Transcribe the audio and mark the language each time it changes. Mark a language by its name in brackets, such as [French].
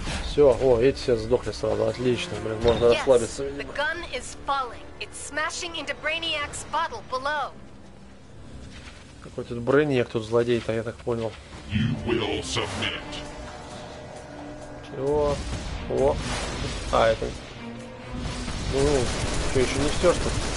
[Russian] Все, о, эти все сдохли сразу. Отлично, блин, можно расслабиться. [English] The gun is falling. It's smashing into Brainiac's bottle below. [Russian] Какой тут Брейниак, тут злодей-то, я так понял. [English] You will submit. [Russian] Чего? О, а, это... Ну, что, еще не все, что?